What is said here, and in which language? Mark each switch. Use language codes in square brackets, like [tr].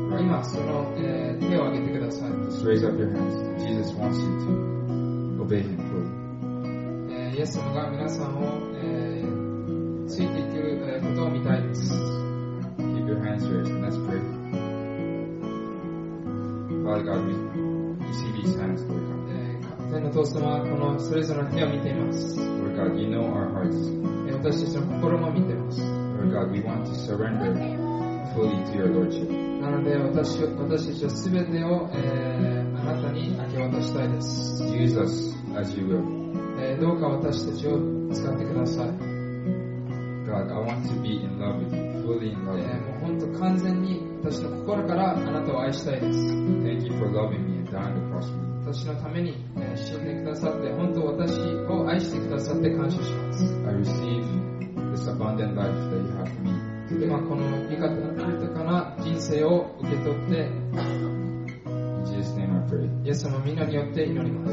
[ja] 今その、手を挙げてください。 [en] Just raise up your hands. Jesus wants you to obey him fully. [ja] エス様が皆さんを、ついていくことを見たいです。 [en] Keep your hands raised and let's pray. Father God, we see these hands, Lord God. [ja] 天の父様はこのそれぞれの手を見ています。 [en] Lord God, you know our hearts. [ja] 私たちの心も見ています。 [en] Lord God, we want to surrender fully to your Lordship. [ja] なので私たちは全てを、あなたに明け渡したいです。 [en] Use us as you will. [ja] どうか私たちを使ってください。 [en] God, I want to be in love with you, fully in love with you. [ja] もう本当完全に私の心からあなたを愛したいです。 [en] Thank you for loving me and dying across me. [ja] 私のために死んでくださって、本当私を愛してくださって感謝します。 [en] I receive this abundant life that you have for me. [ja] 今この豊かな人生を受け取って、 [en] In Jesus' name I pray. [ja] イエス様の皆によって祈ります。